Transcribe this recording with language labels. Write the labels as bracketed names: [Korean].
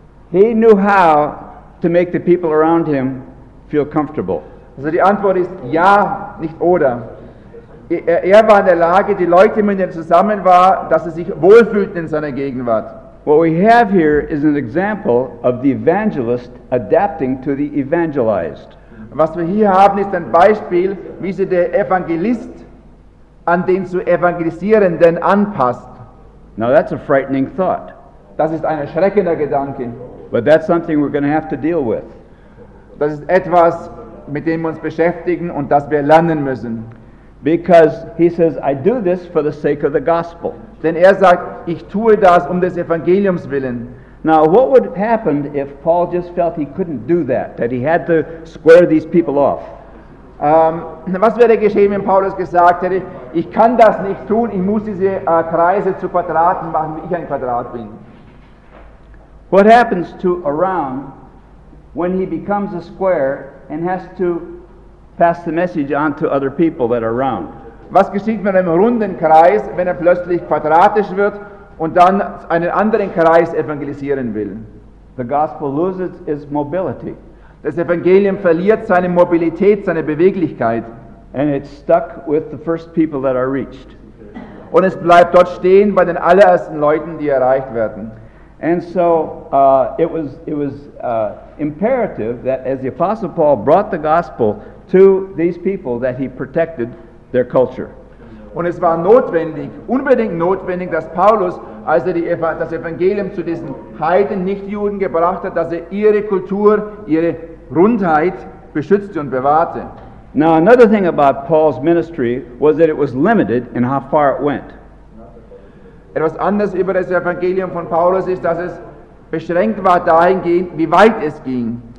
[English] He knew how to make the people around him feel comfortable. [German] Also die Antwort ist ja, nicht oder. Er war in der Lage, die Leute, mit denen er zusammen war, dass sie sich wohlfühlten in seiner Gegenwart. [English] What we have here is an example of the evangelist adapting to the evangelized. [German] Was wir hier haben, ist ein Beispiel, wie sich der Evangelist an den zu Evangelisierenden anpasst. [English] Now that's a frightening thought. [German] Das ist ein erschreckender Gedanke. [English] But that's something we're going to have to deal with. [German] Das ist etwas, mit dem wir uns beschäftigen und das wir lernen müssen. [English] Because he says, I do this for the sake of the gospel. [German] Denn er sagt, ich tue das um des Evangeliums willen. [English] Now, what would happen if Paul just felt he couldn't do that, that he had to square these people off? [German] Was wäre geschehen, wenn Paulus gesagt hätte, ich kann das nicht tun, ich muss diese Kreise zu Quadraten machen, wie ich ein Quadrat bin? [English] What happens to a round when he becomes a square and has to pass the message on to other people that are round? [German] Was geschieht mit einem runden Kreis, wenn er plötzlich quadratisch wird und dann einen anderen Kreis evangelisieren will? [English] The gospel loses its mobility. [German] Das Evangelium verliert seine Mobilität, seine Beweglichkeit. [English] And it's stuck with the first people that are reached. [German] Und es bleibt dort stehen bei den allerersten Leuten, die erreicht werden. [English] And so it was imperative that as the Apostle Paul brought the gospel to these people, that he protected their culture. [German] Und es war notwendig, unbedingt notwendig, dass Paulus, als er das Evangelium zu diesen Heiden, Nichtjuden gebracht hat, dass er ihre Kultur, ihre Rundheit beschützte und bewahrte. [English] Now another thing about Paul's ministry was that it was limited in how far it went. [German] Etwas anderes über das Evangelium von Paulus ist, dass es beschränkt war dahingehend, wie weit es ging.